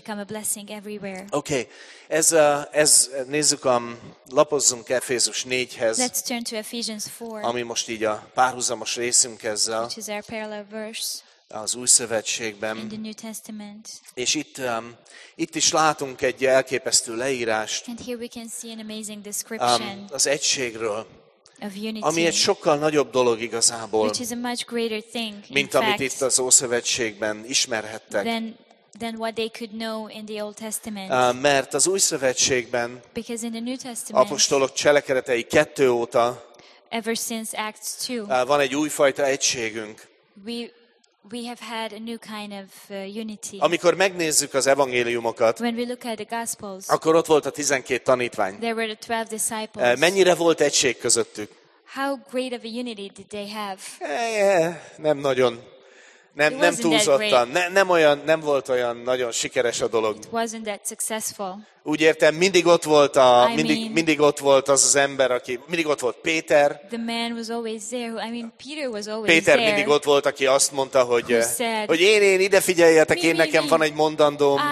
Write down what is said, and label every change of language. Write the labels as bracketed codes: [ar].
[hu] Oké, okay. ez nézzük, lapozzunk Efézus 4-hez, [en] let's turn to Ephesians 4, [hu] ami most így a párhuzamos részünk ezzel, [en] which is our parallel verse, [hu] az Új Szövetségben. [en] In the New Testament. [hu] És itt is látunk egy elképesztő leírást, [en] and here we can see an amazing description, [hu] az egységről. [en] Of unity, [hu] ami egy sokkal nagyobb dolog igazából, [en] which is a much greater thing, [hu] mint amit itt az Ószövetségben ismerhettek. [en] Than what they could know in the Old Testament. [hu] Mert az Új Szövetségben, [en] because in the New Testament, [hu] apostolok cselekedetei 2 óta, [en] ever since Acts 2, [hu] van egy újfajta egységünk. [en] We have had a new kind of unity. [hu] Amikor megnézzük az evangéliumokat, [en] when we look at the gospels, [hu] akkor ott volt a 12 tanítvány. [en] There were the 12 disciples. [hu] Mennyire volt egység közöttük? [en] How great of a unity did they have? [hu] Nem nagyon. nem túlzottan, nem volt olyan nagyon sikeres a dolog. [en] It wasn't that successful. [hu] Úgy értem, mindig ott volt az az ember, aki mindig ott volt Péter. [en] The man was always there. I mean, Peter was always [hu] Péter [en] there. [hu] Mindig ott volt, aki azt mondta, hogy én ide figyeljetek, én nekem van egy mondandóm.